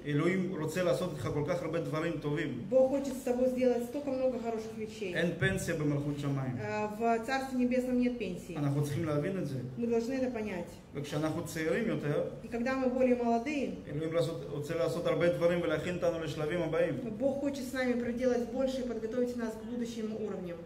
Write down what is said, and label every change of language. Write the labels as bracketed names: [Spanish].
[Hebrew] Элоим רוצה לעשות איתך כל כך הרבה דברים טובים. [Russian] Бог хочет с тобой сделать столько много хороших вещей. [Hebrew] אין פנסיה במלכות שמיים. [Russian] В царстве небесном нет пенсии. [Hebrew] אנחנו צריכים להבין את זה. [Russian] Мы должны это понять. [Hebrew] וכשאנחנו צעירים יותר. [Russian] Когда мы более молодые. Он хочет сделать [Hebrew] הרבה דברים ולהכין אותנו לשלבים הבאים. [Russian] Бог хочет с нами проделать больше и подготовить нас к будущим уровням.